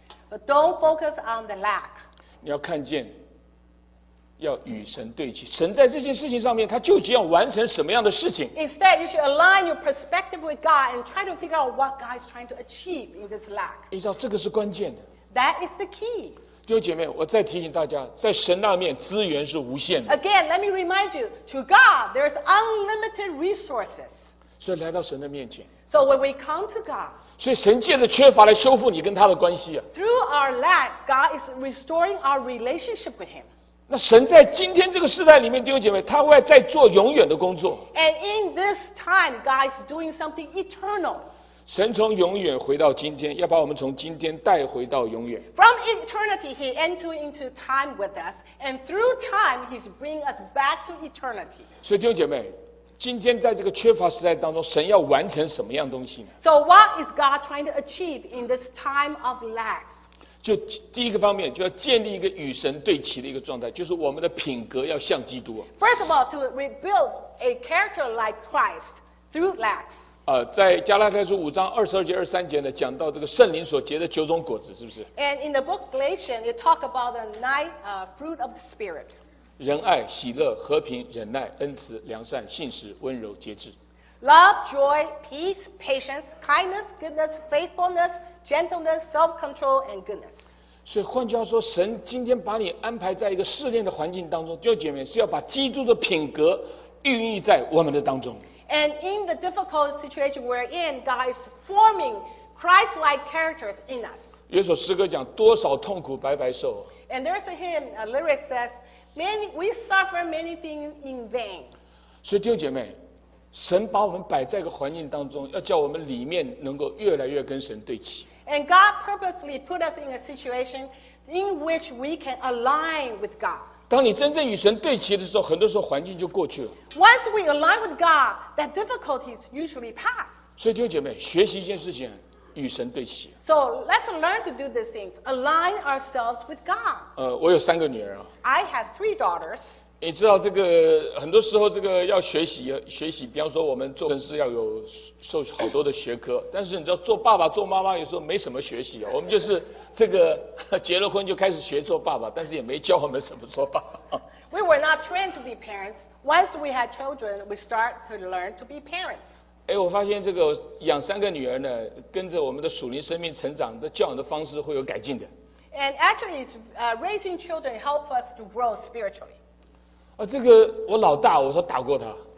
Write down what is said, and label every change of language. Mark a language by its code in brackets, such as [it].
[en] But don't focus on the lack. [zh] 你要看见，要与神对齐。神在这件事情上面，他究竟要完成什么样的事情？ [en] Instead, you should align your perspective with God and try to figure out what God is trying to achieve in this lack. [zh] 你知道这个是关键的。 [en] That is the key. [zh] 弟兄姐妹，我再提醒大家，在神那面资源是无限的。 [en] Again, let me remind you, to God there is unlimited resources. [zh] 所以来到神的面前。 [en] So when we come to God. [zh] 所以神借着缺乏来修复你跟他的关系啊。 [en] Through our lack, God is restoring our relationship with Him. [zh] 那神在今天这个时代里面，弟兄姐妹，他会在做永远的工作。 [en] And in this time, God is doing something eternal. [zh] 神从永远回到今天，要把我们从今天带回到永远。 [en] From eternity, he entered into time with us, and through time, he's bringing us back to eternity. [zh] 所以弟兄姐妹，今天在这个缺乏时代当中，神要完成什么样东西呢？ [en] So what is God trying to achieve in this time of lack? [zh] 就第一个方面，就要建立一个与神对齐的一个状态，就是我们的品格要像基督。 [en] First of all, to rebuild a character like Christ through lack. [zh] 在加拉太书5:22-23呢，讲到这个圣灵所结的九种果子，是不是 [en] ？And in the book Galatians, it talk about the nine fruit of the spirit. [zh] 仁爱、喜乐、和平、忍耐、恩慈、良善、信实、温柔、节制。 [en] Love, joy, peace, patience, kindness, goodness, faithfulness, gentleness, self-control, and goodness. [zh] 所以换句话说，神今天把你安排在一个试炼的环境当中，弟兄姐妹是要把基督的品格孕育在我们的当中。 [en] And in the difficult situation we're in, God is forming Christ-like characters in us. [zh] 有一首诗歌讲多少痛苦白白受。 [en] And there's a hymn, a lyric says, many, we suffer many things in vain. [zh] 所以弟兄姐妹，神把我们摆在一个环境当中，要叫我们里面能够越来越跟神对齐。 [en] And God purposely put us in a situation in which we can align with God. [zh] 当你真正与神对齐的时候，很多时候环境就过去了。 [en] Once we align with God, that difficulties usually pass. [zh] 所以弟兄姐妹，学习一件事情，与神对齐。 [en] So let's learn to do these things, align ourselves with God. [zh] 我有三个女儿啊。 [en] I have three daughters. [zh] 你知道这个很多时候这个要学习，比方说我们做人事要有受好多的学科，但是你知道做爸爸做妈妈有时候没什么学习啊，我们就是。这个结了婚就开始学做爸爸，但是也没教我们什么做爸爸。 [en] We were not trained to be parents. Once we had children, we start to learn to be parents. [zh] 哎，我发现这个养三个女儿呢，跟着我们的属灵生命成长的教养的方式会有改进的。 [en] And actually, it's raising children help us to grow spiritually. [zh] 这个我老大，我说打过他。